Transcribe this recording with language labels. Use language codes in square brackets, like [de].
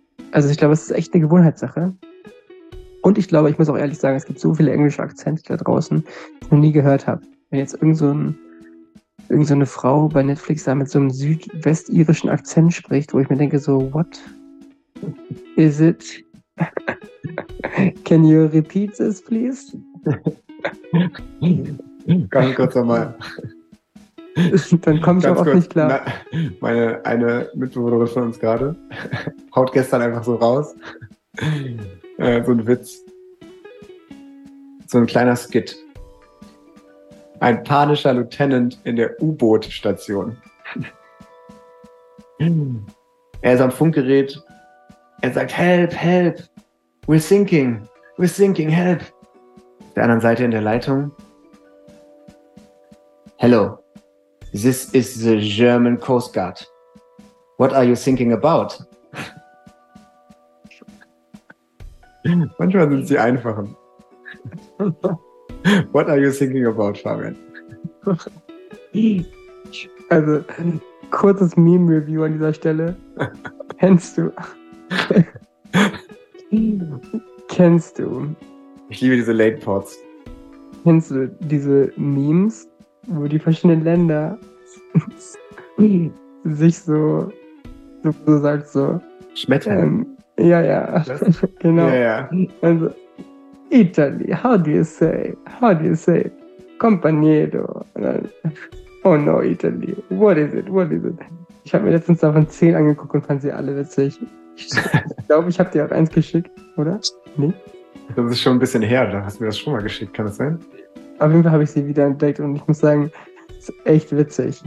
[de] Also ich glaube, es ist echt eine Gewohnheitssache. Und ich glaube, ich muss auch ehrlich sagen, es gibt so viele englische Akzente da draußen, die ich noch nie gehört habe. Wenn jetzt irgend so eine Frau bei Netflix da mit so einem südwestirischen Akzent spricht, wo ich mir denke so, [en] what is it? Can you repeat this, please? [de] Ganz kurz nochmal. Dann komme ich ganz auch kurz, nicht klar. Eine Mitbewohnerin von uns gerade haut gestern einfach so raus. So ein Witz. So ein kleiner Skit. Ein panischer Lieutenant in der U-Boot-Station. Er ist am Funkgerät. Er sagt, [en] help, help. We're sinking, help. [de] Der anderen Seite in der Leitung. [en] Hello, this is the German Coast Guard. What are you thinking about? [de] Manchmal sind sie einfach. [en] What are you thinking about, Fabian? [de] Also, ein kurzes Meme-Review an dieser Stelle. Kennst du? Ich liebe diese Late-Pods. Kennst du diese Memes, wo die verschiedenen Länder sich so sagt, so Schmetterling? Ja. Genau. Ja. [en] Also, Italy, how do you say? Companiero. Oh no, Italy. What is it? [de] Ich habe mir letztens davon 10 angeguckt und fand sie alle witzig. Ich glaube, ich habe dir auch eins geschickt, oder? Nee? Das ist schon ein bisschen her, da hast du mir das schon mal geschickt, kann das sein? Auf jeden Fall habe ich sie wieder entdeckt und ich muss sagen, es ist echt witzig.